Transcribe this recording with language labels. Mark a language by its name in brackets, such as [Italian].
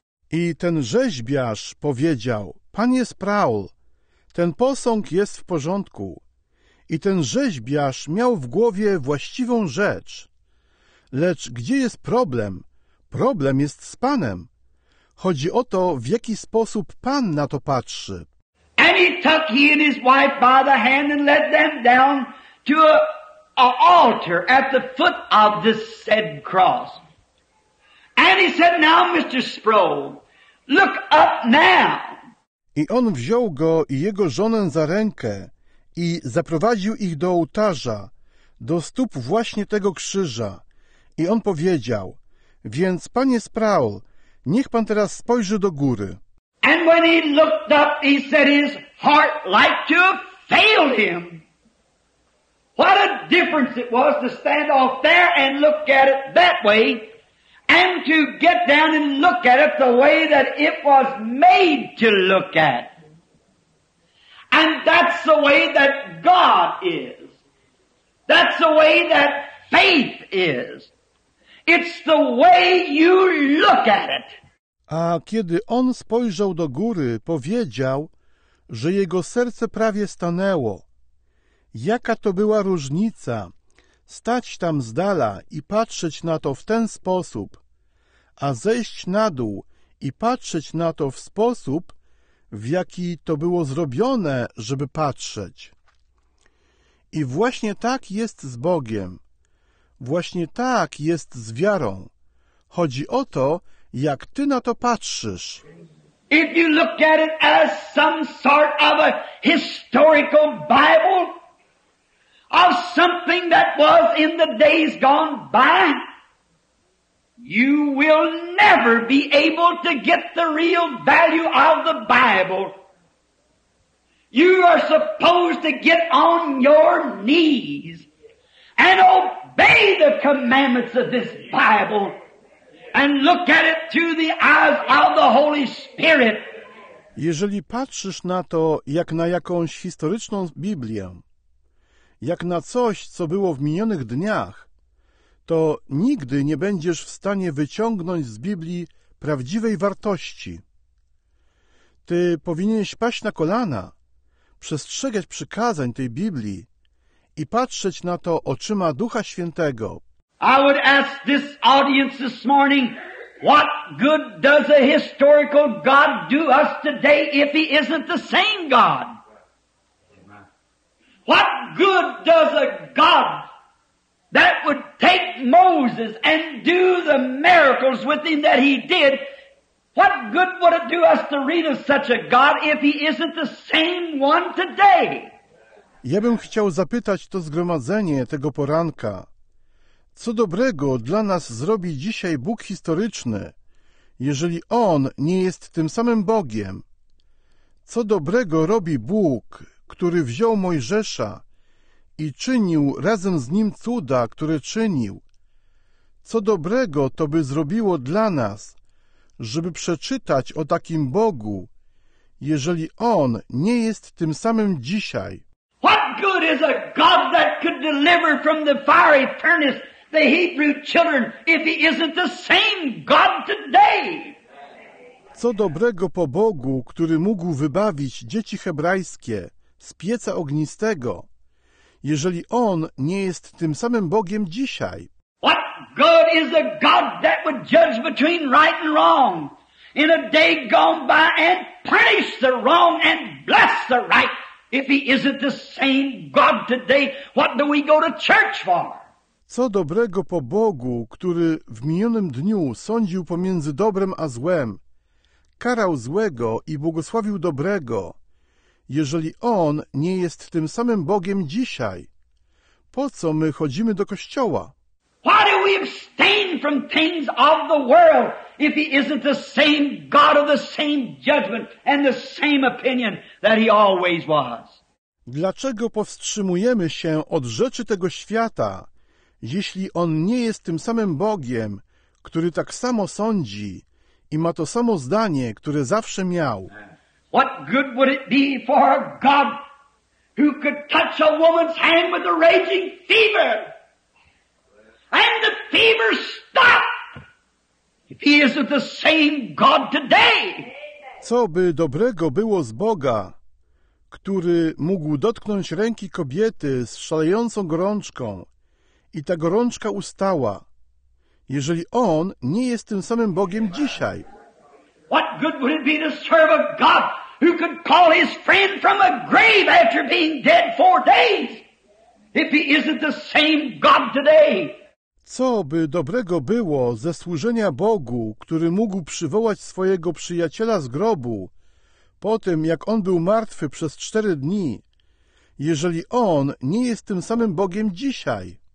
[Polish] I ten rzeźbiarz powiedział: "Panie Sproul, ten posąg jest w porządku. I ten rzeźbiarz miał w głowie właściwą rzecz. Lecz gdzie jest problem? Problem jest z Panem. Chodzi o to, w jaki sposób Pan na to patrzy." [English] And he took he and his wife by the hand and led them down to a altar at the foot of this said cross. And he said, "Now, Mr. Sproul, look up now." [Polish] I on wziął go i jego żonę za rękę i zaprowadził ich do ołtarza, do stóp właśnie tego krzyża. I on powiedział: Więc, panie Sproul, niech pan teraz spojrzy do góry. [English] And when he looked up, he said his heart like to have failed him. What a difference it was to stand off there and look at it that way, and to get down and look at it the way that it was made to look at. And that's the way that God is. That's the way that faith is. It's the way you look at it. [Polish] A kiedy on spojrzał do góry, powiedział, że jego serce prawie stanęło. Jaka to była różnica, stać tam z dala i patrzeć na to w ten sposób, a zejść na dół i patrzeć na to w sposób, w jaki to było zrobione, żeby patrzeć. I właśnie tak jest z Bogiem. Właśnie tak jest z wiarą. Chodzi o to, jak ty na to patrzysz. [English] If you look at it as some sort of a historical Bible, of something that was in the days gone by, you will never be able to get the real value of the Bible. You are supposed to get on your knees and obey the commandments of this Bible and look at it through the eyes of the Holy Spirit. [Polish] Jeżeli patrzysz na to jak na jakąś historyczną Biblię, jak na coś, co było w minionych dniach, to nigdy nie będziesz w stanie wyciągnąć z Biblii prawdziwej wartości. Ty powinieneś paść na kolana, przestrzegać przykazań tej Biblii i patrzeć na to oczyma Ducha Świętego. [English] I would ask this audience this morning, what good does a historical God do us today if he isn't the same God? What good does a God that would take Moses and do the miracles with him that he did, what good would it do us to read of such a God if he isn't the same one today? [Polish] Ja bym chciał zapytać to zgromadzenie tego poranka. Co dobrego dla nas zrobi dzisiaj Bóg historyczny, jeżeli On nie jest tym samym Bogiem? Co dobrego robi Bóg, który wziął Mojżesza i czynił razem z nim cuda, które czynił? Co dobrego to by zrobiło dla nas, żeby przeczytać o takim Bogu, jeżeli On nie jest tym samym dzisiaj? [English] What good is a God that could deliver from the fiery furnace the Hebrew children if he isn't the same God today? [Polish] Co dobrego po Bogu, który mógł wybawić dzieci hebrajskie z pieca ognistego, jeżeli On nie jest tym samym Bogiem dzisiaj? [English] What good is a God that would judge between right and wrong in a day gone by and punish the wrong and bless the right if he isn't the same God today? What do we go to church for? [Polish] Co dobrego po Bogu, który w minionym dniu sądził pomiędzy dobrem a złem, karał złego i błogosławił dobrego, jeżeli On nie jest tym samym Bogiem dzisiaj? Po co my chodzimy do kościoła? [English] Why do we abstain from things of the world if he isn't the same God of the same judgment and the same opinion that he always was? [Polish] Dlaczego powstrzymujemy się od rzeczy tego świata, jeśli On nie jest tym samym Bogiem, który tak samo sądzi i ma to samo zdanie, które zawsze miał? [English] What good would it be for a God who could touch a woman's hand with a raging fever and the fever stop if he isn't the same God today? [Polish] Co by dobrego było z Boga, który mógł dotknąć ręki kobiety z szalejącą gorączką i ta gorączka ustała, jeżeli On nie jest tym samym Bogiem dzisiaj? [English] What good would it be to serve a God who could call his friend from a grave after being dead 4 days if he isn't the same God today? [Polish] Co by dobrego było ze służenia Bogu, który mógł przywołać swojego przyjaciela z grobu po tym, jak on był martwy przez 4 dni, jeżeli on nie jest tym samym Bogiem dzisiaj?